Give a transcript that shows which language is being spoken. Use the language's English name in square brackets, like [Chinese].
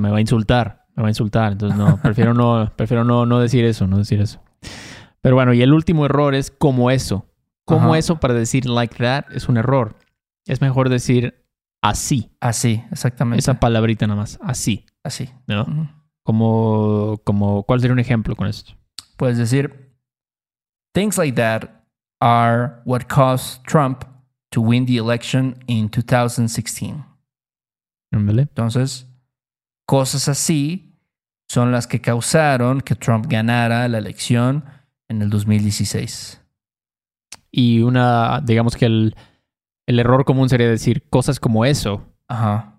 [Spanish] Me va a insultar. Me va a insultar. Entonces, no. Prefiero no decir eso. Pero bueno, y el último error es como eso. Como uh-huh. eso para decir [English] like that [Spanish] es un error. Es mejor decir así. Así, exactamente. Esa palabrita nada más. Así. Así. ¿No? Uh-huh. ¿Cuál sería un ejemplo con esto? Puedes decir, [English] things like that are what caused Trump to win the election in 2016. [Spanish] Entonces, cosas así son las que causaron que Trump ganara la elección en el 2016. Y una, digamos que el error común sería decir cosas como eso. Ajá.